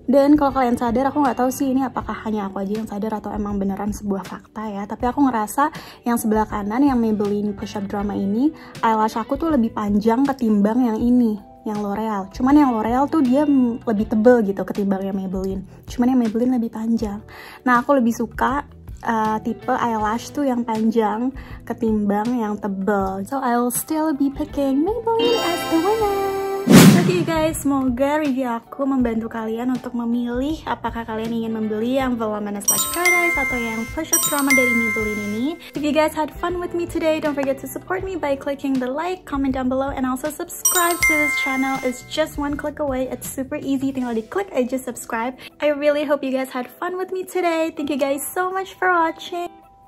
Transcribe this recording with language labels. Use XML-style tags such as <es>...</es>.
<id>Dan kalau kalian sadar, aku gak tahu sih ini apakah hanya aku aja yang sadar atau emang beneran sebuah fakta ya, tapi aku ngerasa yang sebelah kanan yang Maybelline Push Up Drama ini, eyelash aku tuh lebih panjang ketimbang yang ini, yang L'Oreal. Cuman yang L'Oreal tuh dia lebih tebel gitu ketimbang yang Maybelline. Cuman yang Maybelline lebih panjang. Nah, aku lebih suka tipe eyelash tuh yang panjang ketimbang yang tebel.</id> <en>So I'll still be picking Maybelline as the winner.</en> <id>Okay, guys, semoga review aku membantu kalian untuk memilih apakah kalian ingin membeli yang Voluminous Lash Paradise atau yang Push Up Drama dari Maybelline ini.</id> <en>If you guys had fun with me today, don't forget to support me by clicking the like, comment down below, and also subscribe to this channel. It's just one click away. It's super easy.</en> <id>Tinggal di klik aja subscribe.</id> <en>I really hope you guys had fun with me today. Thank you guys so much for watching.</en>